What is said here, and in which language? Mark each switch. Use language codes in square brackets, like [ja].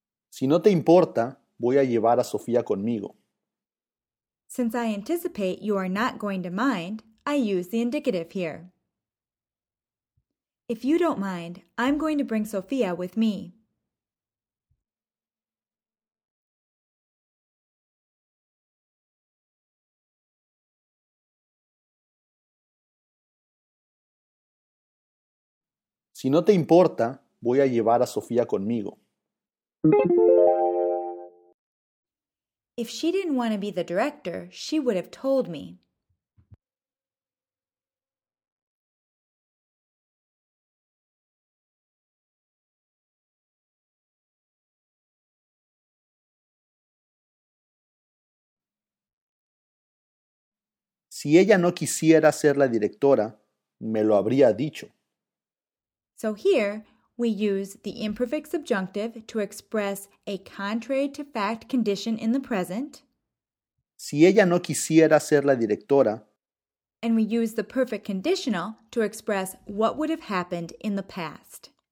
[es] Si no te importa, voy a llevar a Sofía conmigo. [en] Since I anticipate you are not going to mind, I use the indicative here. If you don't mind, I'm going to bring Sofía with me. [es] Si no te importa, voy a llevar a Sofía conmigo. [en] If she didn't want to be the director, she would have told me. [es] Si ella no quisiera ser la directora, me lo habría dicho. [en] So here, we use the imperfect subjunctive to express a contrary to fact condition in the present. [es] Si ella no quisiera ser la directora. [en] And we use the perfect conditional to express what would have happened in the past.